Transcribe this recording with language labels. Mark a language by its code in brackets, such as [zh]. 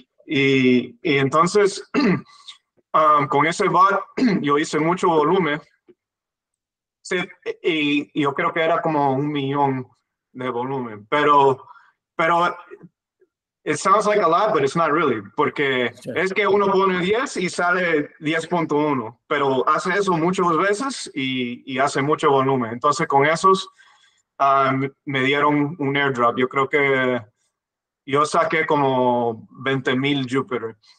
[es] Y entonces, con ese bot, yo hice mucho volumen. Sí, y yo creo que era como 1 millón de volumen. Pero, [en] it sounds like a lot, but it's not really. [es] Porque es que uno pone 10 y sale 10.1. Pero hace eso muchas veces y hace mucho volumen. Entonces, con esos, me dieron un airdrop. Yo creo que yo saqué como 20,000 Jupyter.